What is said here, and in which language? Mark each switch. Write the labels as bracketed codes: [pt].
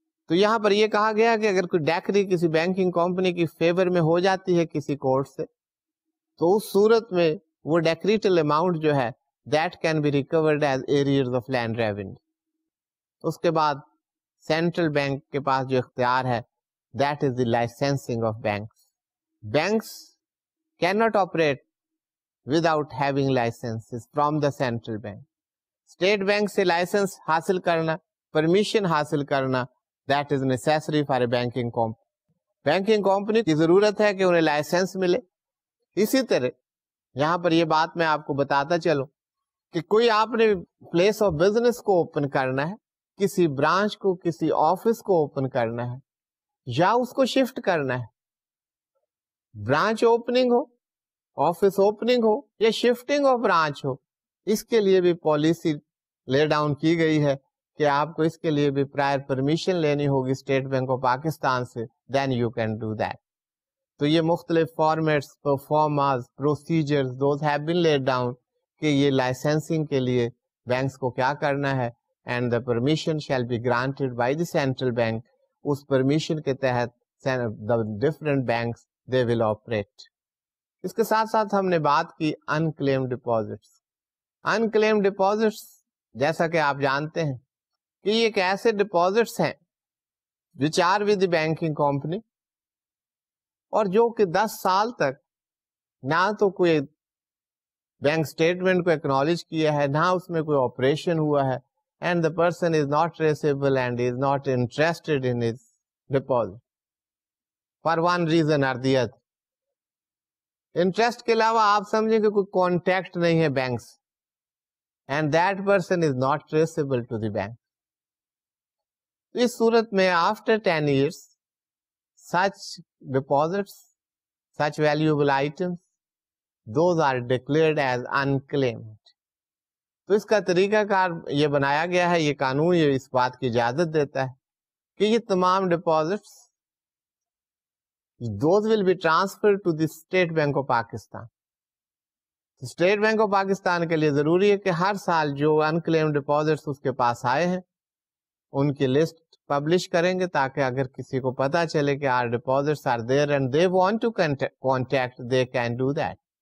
[ur] تو یہاں پر یہ کہا گیا کہ اگر کوئی ڈیکری کسی بینکنگ کمپنی کی فیور میں ہو جاتی ہے کسی کورٹ سے, تو اس صورت میں وہ ڈیکریٹل اماؤنٹ جو ہے [en] That can be recovered as arrears of land revenue. [ur] اس کے بعد سینٹرل بینک کے پاس جو اختیار ہے, [en] that is the licensing of banks. Banks cannot operate without having licenses from the central bank. [ur] State bank se license hasil karna, permission hasil karna, [en] that is necessary for a banking company. [ur] Banking company کی ضرورت ہے کہ انہیں licence ملے. اسی طرح یہاں پر یہ بات میں آپ کو بتاتا چلوں کہ کوئی آپ نے پلیس آف بزنس کو اوپن کرنا ہے, کسی برانچ کو, کسی آفس کو اوپن کرنا ہے یا اس کو شفٹ کرنا ہے, برانچ اوپننگ ہو, آفس اوپننگ ہو یا شفٹنگ آف برانچ ہو, اس کے لیے بھی پالیسی لے ڈاؤن کی گئی ہے کہ آپ کو اس کے لیے بھی پرائر پرمیشن لینی ہوگی اسٹیٹ بینک آف پاکستان سے, [en] Then you can do that. [ur] تو یہ مختلف formats, پرفارماز, procedures, [en] those have been laid down [ur] کہ یہ لائسنسنگ کے لیے بینکس کو کیا کرنا ہے, [en] And the permission shall be granted by the central bank. [ur] اس permission کے تحت [en] The different banks they will operate. [ur] اس کے ساتھ ساتھ ہم نے بات کی انکلیم ڈپازٹس. انکلیم ڈپازٹس جیسا کہ آپ جانتے ہیں کہ یہ ایک ایسے ڈپازٹس ہیں [en] which are with the banking company, [ur] اور جو کہ 10 سال تک نہ تو کوئی بینک اسٹیٹمنٹ کو اکنالج کیا ہے, نہ اس میں کوئی آپریشن ہوا ہے, [en] And the person is not traceable and is not interested in his deposit for one reason or the other. [ur] Interest کے علاوہ آپ سمجھیں کہ کوئی کانٹیکٹ نہیں ہے banks, [en] and that person is not traceable to the bank. [ur] اس صورت میں [en] after 10 years such deposits, such valuable items, those are declared as unclaimed. [ur] تو اس کا طریقہ کار یہ بنایا گیا ہے, یہ قانون یہ اس بات کی اجازت دیتا ہے کہ یہ تمام deposits, [en] those will be transferred to the State Bank of Pakistan. [ur] State bank of Pakistan کے لیے ضروری ہے کہ ہر سال جو انکلیم ڈپازٹس اس کے پاس آئے ہیں ان کی لسٹ پبلش کریں گے, تاکہ اگر کسی کو پتا چلے کہ [en] Our deposits are there and they want to contact they can do that.